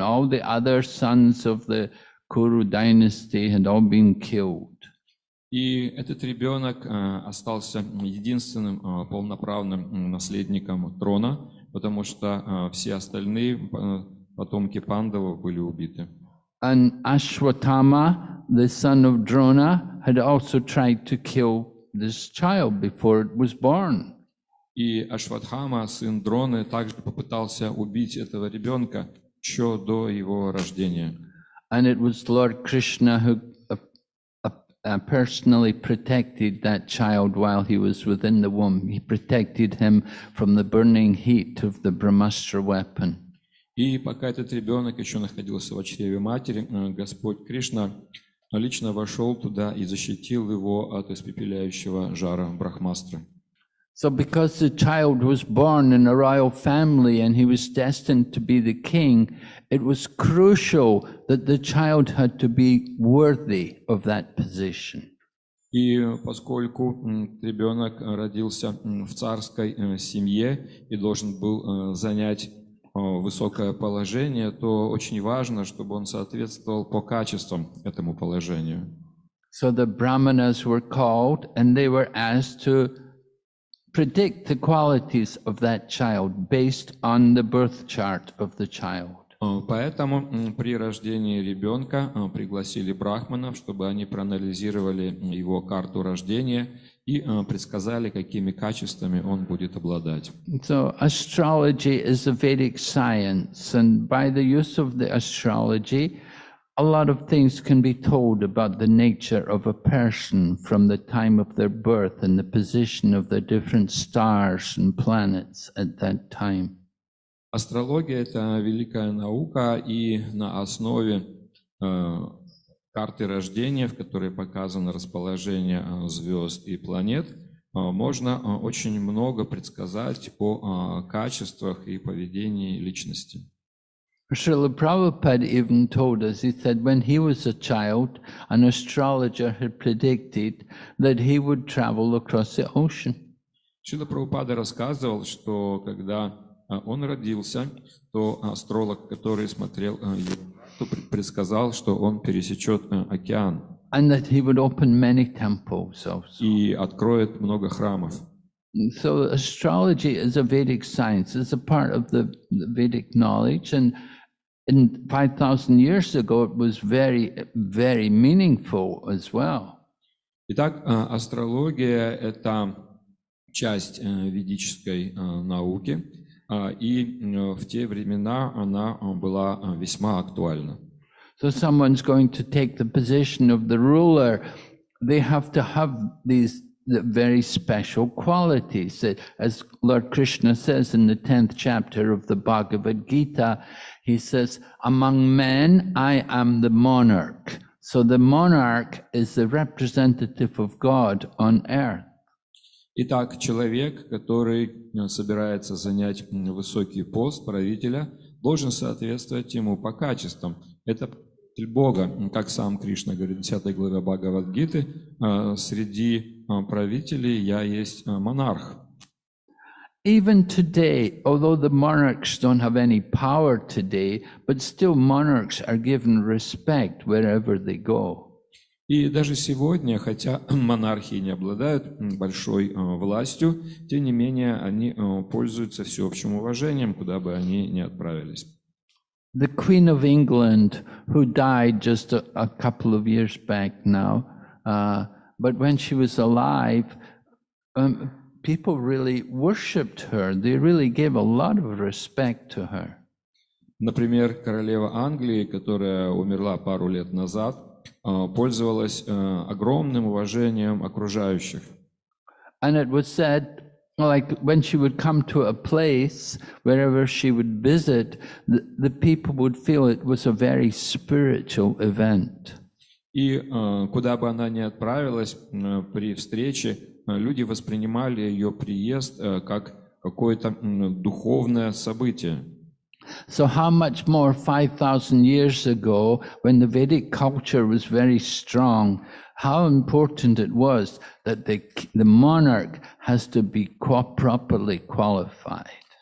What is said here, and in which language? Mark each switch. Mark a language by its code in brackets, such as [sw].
[en] All the other sons of the Kuru dynasty had all been killed. [ru] И этот ребенок остался единственным полноправным наследником трона, потому что все остальные потомки Пандавов были убиты. [en] And Ashwatthama, the son of Drona, had also tried to kill this child before it was born. [ru] И Ашватхама, сын Дроны, также попытался убить этого ребенка еще до его рождения. [en] And it was Lord Krishna who personally protected that child while he was within the womb. He protected him from the burning heat of the Brahmastra weapon. [ru] И пока этот ребенок еще находился во чреве матери, Господь Кришна лично вошел туда и защитил его от испепеляющего жара Брахмастры. [en] So because the child was born in a royal family and he was destined to be the king, it was crucial that the child had to be worthy of that position. [ru] И поскольку ребенок родился в царской семье и должен был занять высокое положение, то очень важно, чтобы он соответствовал по качествам этому положению. [en] So the brahmanas were called, and they were asked to predict the qualities of that child based on the birth chart of the child. [ru] Поэтому при рождении ребенка пригласили брахманов, чтобы они проанализировали его карту рождения и предсказали, какими качествами он будет обладать. [en] So astrology is a Vedic science, and by the use of the astrology, a lot of things can be told about the nature of a person from the time of their birth and the position of the different stars and planets at that time. [ru] Астрология — это великая наука, и на основе карты рождения, в которой показано расположение звезд и планет, можно очень много предсказать о качествах и поведении личности. [en] Шрила Прабхупада even told us, he said, when he was a child, an astrologer had predicted that he would travel across the ocean. [ru] Шрила Прабхупада рассказывал, что когда он родился, то астролог, который смотрел его, предсказал, что он пересечет океан. [en] And that he would open many temples also. [ru] И откроет много храмов. [en] So astrology is a Vedic science, it's a part of the Vedic knowledge, and 5,000 years ago it was very, very meaningful as well. [ru] Итак, астрология — это часть ведической науки, и в те времена она была весьма актуальна. [en] So someone's going to take the position of the ruler, they have to have these very special qualities. As Lord Krishna says in the 10th chapter of the Bhagavad Gita, he says, among men, I am the monarch. So the monarch is the representative of God on earth. [ru] Итак, человек, который собирается занять высокий пост правителя, должен соответствовать ему по качествам. Это Бога, как сам Кришна говорит в 10 главе Бхагавад Гиты, среди правителей я есть монарх. [en] Even today, although the monarchs don't have any power today, but still monarchs are given respect wherever they go. [ru] И даже сегодня, хотя монархии не обладают большой властью, тем не менее они пользуются всеобщим уважением, куда бы они ни отправились. [en] The Queen of England, who died just a couple of years back now, but when she was alive, people really worshipped her. They really gave a lot of respect to her. [ru] Например, королева Англии, которая умерла пару лет назад, пользовалась огромным уважением окружающих. [en] And it was said, like when she would come to a place, wherever she would visit, the people would feel it was a very spiritual event. [ru] И куда бы она ни отправилась при встрече, люди воспринимали ее приезд как какое-то духовное событие. [en] So how much more 5,000 years ago, when the Vedic culture was very strong, how important it was that the monarch has to be properly qualified.